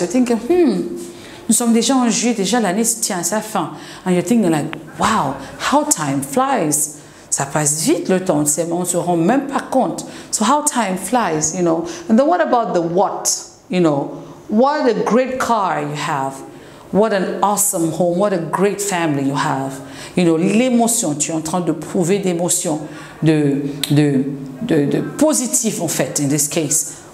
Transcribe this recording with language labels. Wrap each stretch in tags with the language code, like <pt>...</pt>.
<en>You're thinking,</en> <fr>nous sommes déjà en juillet, déjà l'année se tient à sa fin.</fr> <en>And you're thinking like, wow, how time flies.</en> <fr>Ça passe vite le temps, on ne se rend même pas compte.</fr> <en>So how time flies, you know. And then what about the what, you know. What a great car you have. What an awesome home. What a great family you have. You know,</en> <fr>l'émotion, tu es en train de prouver d'émotion, de positif en fait,</fr> <en>in this case.</en>